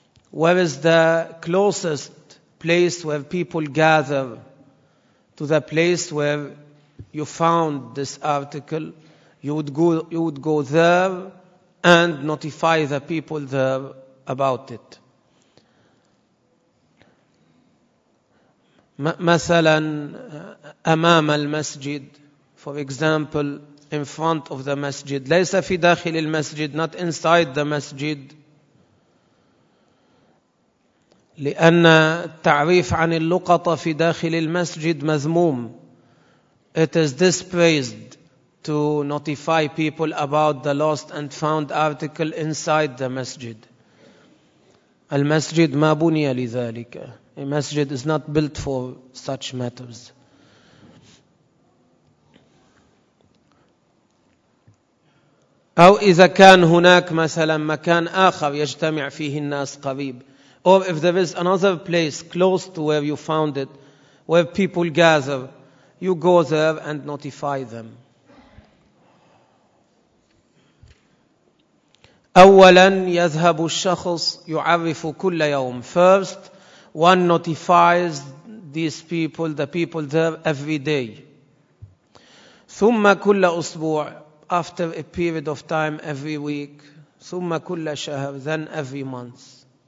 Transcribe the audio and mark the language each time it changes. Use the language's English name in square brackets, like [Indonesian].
[English] Where is the closest place where people gather to the place where you found this article? You would go there and notify the people there about it. [Arabic] مثلا أمام المسجد, [English] for example, in front of the masjid, [Arabic] ليس في داخل المسجد, [English] not inside the masjid, [Arabic] لأن التعريف عن اللقطة في داخل المسجد مذموم. [English] It is dispraised to notify people about the lost and found article inside the masjid. [Arabic] المسجد ما بني لذلك. [English] A masjid is not built for such matters. [Arabic] أو إذا كان هناك مثلا مكان آخر يجتمع فيه الناس قريب. [English] Or if there is another place close to where you found it, where people gather, you go there and notify them. [Arabic] أولا يذهب الشخص يعرف كل يوم. [English] First, one notifies these people, the people there, every day. [Arabic] ثم كل أسبوع, [English] after a period of time, every week. [Arabic] ثم كل شهر, [English] then every month.